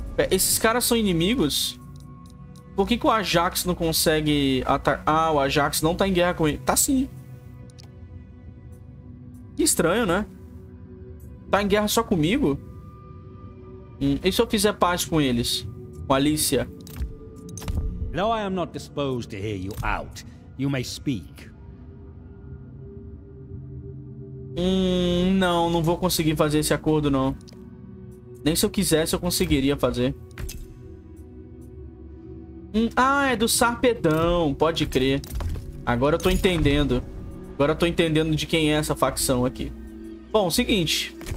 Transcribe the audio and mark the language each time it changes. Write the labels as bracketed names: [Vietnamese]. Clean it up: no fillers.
[Portuguese] Esses caras são inimigos? Por que que o Ajax não consegue atacar? Ah, o Ajax não tá em guerra com ele. Tá sim. Que estranho, né? Tá em guerra só comigo? E se eu fizer paz com eles? Com a Alicia? [English] Now I am not disposed to hear you out. You may speak. [Portuguese] Não, não vou conseguir fazer esse acordo, não. Nem se eu quisesse, eu conseguiria fazer. Ah, é do Sarpedão. Pode crer. Agora eu tô entendendo. Agora eu tô entendendo de quem é essa facção aqui. Bom, seguinte.